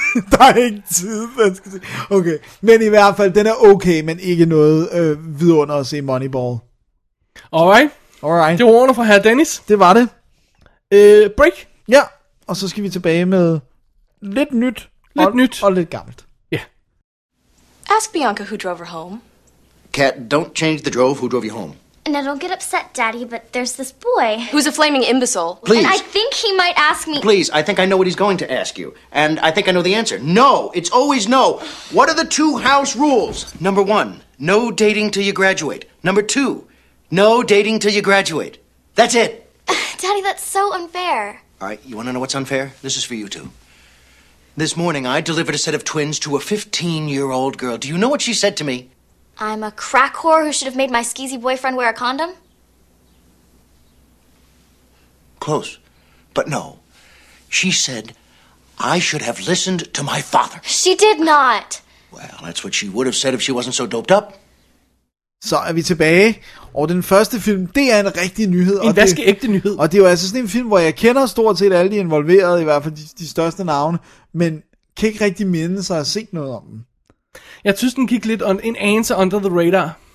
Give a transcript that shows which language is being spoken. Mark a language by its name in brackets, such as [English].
[Danish] Der er ikke tid, man skal se. Okay, men i hvert fald, den er okay, men ikke noget vidunder at se Moneyball. Alright. Det var ordene for herr Dennis. Det var det. Break. Ja, og så skal vi tilbage med lidt nyt. Lidt nyt. Og lidt gammelt. Ja. Yeah. [English] Ask Bianca who drove her home. Kat, don't change the drove who drove you home. Now don't get upset, Daddy, but there's this boy. Who's a flaming imbecile. Please. And I think he might ask me... Please, I think I know what he's going to ask you. And I think I know the answer. No, it's always no. What are the two house rules? Number one, no dating till you graduate. Number two, no dating till you graduate. That's it. Daddy, that's so unfair. All right, you want to know what's unfair? This is for you two. This morning, I delivered a set of twins to a 15-year-old girl. Do you know what she said to me? I'm a crack whore who should have made my skeezy boyfriend wear a condom? Close. But no. She said, I should have listened to my father. She did not. Well, that's what she would have said if she wasn't so doped up. [Danish] Så er vi tilbage, og den første film, det er en rigtig nyhed. En vaskeægte nyhed. Og det er jo altså sådan en film, hvor jeg kender stort set alle de involverede, i hvert fald de største navne, men kan ikke rigtig minde sig at se noget om dem. Jeg synes, den gik lidt en anelse [English] under the radar.